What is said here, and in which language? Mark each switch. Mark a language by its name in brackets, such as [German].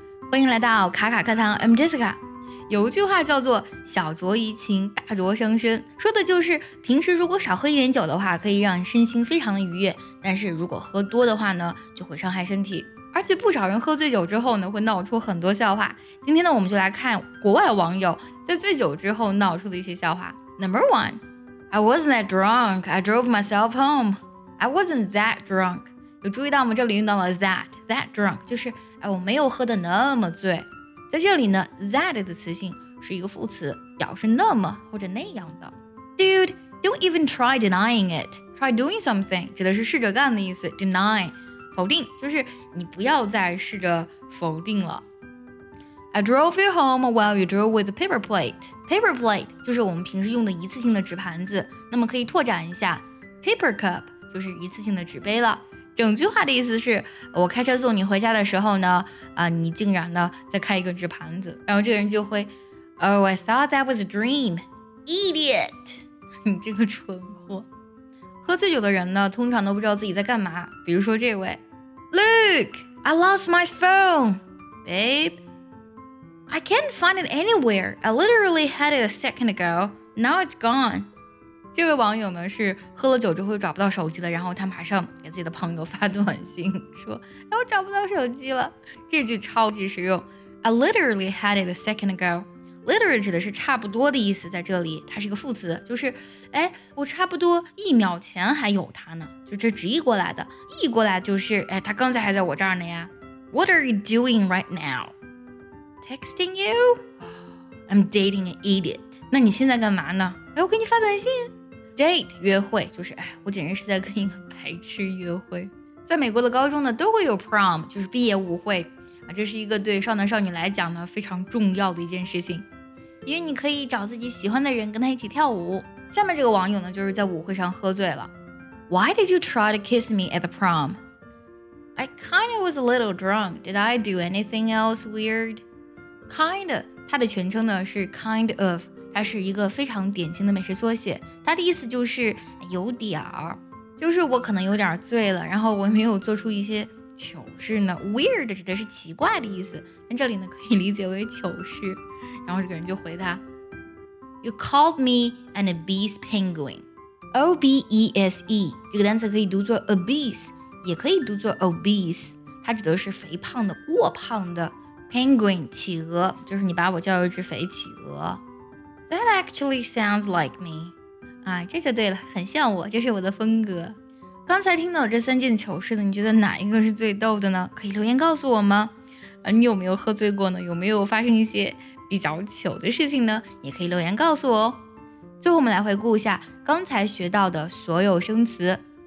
[Chinese] 欢迎来到卡卡课堂， [English] I'm Jessica。 [Chinese] 有一句话叫做小酌怡情，大酌伤身，说的就是平时如果少喝一点酒的话，可以让身心非常的愉悦，但是如果喝多的话呢，就会伤害身体。而且不少人喝醉酒之后呢，会闹出很多笑话。今天呢，我们就来看国外网友在醉酒之后闹出的一些笑话。 [English] Number one, I wasn't that drunk, I drove myself home. I wasn't that drunk。 [Chinese] 有注意到我们这里用到了 that drunk， 就是我没有喝得那么醉。在这里呢， that 的词性是一个副词，表示那么或者那样的。 [English] Dude, don't even try denying it. Try doing something [Chinese] 指的是试着干的意思， [English] deny [Chinese] 否定，就是你不要再试着否定了。 [English] I drove you home while you drove with a paper plate. [Chinese] Paper plate 就是我们平时用的一次性的纸盘子，那么可以拓展一下， paper cup 就是一次性的纸杯了。整句话的意思是，我开车送你回家的时候呢，你竟然呢在开一个纸盘子，然后这个人就会 [English] Oh, I thought that was a dream. [Chinese] Idiot. 你这个蠢货。喝醉酒的人呢，通常都不知道自己在干嘛。比如说这位 [English] Look, I lost my phone. Babe, I can't find it anywhere. I literally had it a second ago. Now it's gone. [Chinese] 这位网友呢是喝了酒之后找不到手机的，然后他马上给自己的朋友发短信说，我找不到手机了。这句超级实用， [English] I literally had it a second ago. [Chinese] Literally 指的是差不多的意思，在这里它是一个副词，就是我差不多一秒前还有它呢，就这直译过来的，译过来就是它刚才还在我这儿呢呀。 [English] What are you doing right now? Texting you? I'm dating an idiot. [Chinese] 那你现在干嘛呢？我给你发短信。 Date 约会就是我简直是在跟一个白痴约会。在美国的高中呢，都会有 prom， 就是毕业舞会啊，这是一个对少男少女来讲呢非常重要的一件事情，因为你可以找自己喜欢的人跟他一起跳舞。下面这个网友呢，就是在舞会上喝醉了。 [English] Why did you try to kiss me at the prom? I kind of was a little drunk. Did I do anything else weird? [Chinese] Kind of 它的全称呢是 kind of，它是一个非常典型的美式缩写，它的意思就是有点儿，就是我可能有点醉了，然后我没有做出一些糗事呢。 Weird 指的是奇怪的意思，但这里呢可以理解为糗事。然后这个人就回答 [English] You called me an obese penguin. [Chinese] O-B-E-S-E 这个单词可以读作 obese， 也可以读作 obese， 它指的是肥胖的，过胖的。 Penguin 企鹅，就是你把我叫一只肥企鹅。 [English] That actually sounds like me. [Chinese] 这就对了，很像我，这是我的风格。刚才听到这三件糗事的，你觉得哪一个是最逗的呢？可以留言告诉我吗？你有没有喝醉过呢？有没有发生一些比较糗的事情呢？也可以留言告诉我。最后我们来回顾一下刚才学到的所有生词。